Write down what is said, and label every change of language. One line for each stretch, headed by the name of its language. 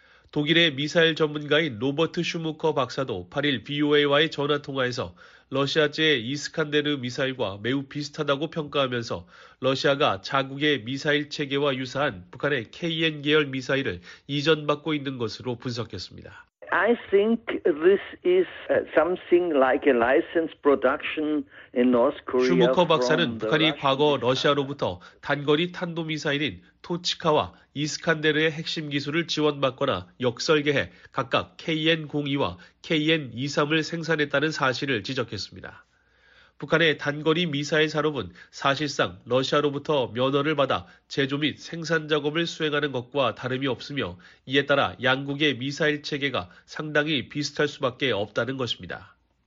Korean: 독일의 미사일 전문가인 로버트 슈무커 박사도 8일 VOA와의 전화통화에서 러시아제 이스칸데르 미사일과 매우 비슷하다고 평가하면서 러시아가 자국의 미사일 체계와 유사한 북한의 KN 계열 미사일을 이전받고 있는 것으로 분석했습니다.
English: I think this is something like a license production in North Korea.
Korean: 슈무커 박사는 북한이 과거 러시아로부터 단거리 탄도미사일인 토치카와 이스칸데르의 핵심 기술을 지원받거나 역설계해 각각 KN-02와 KN-23을 생산했다는 사실을 지적했습니다. 북한의 단거리 미사일 산업은 사실상 러시아로부터 면허를 받아 제조 및 생산 작업을 수행하는 것과 다름이 없으며 이에 따라 양국의 미사일 체계가 상당히 비슷할 수밖에 없다는 것입니다.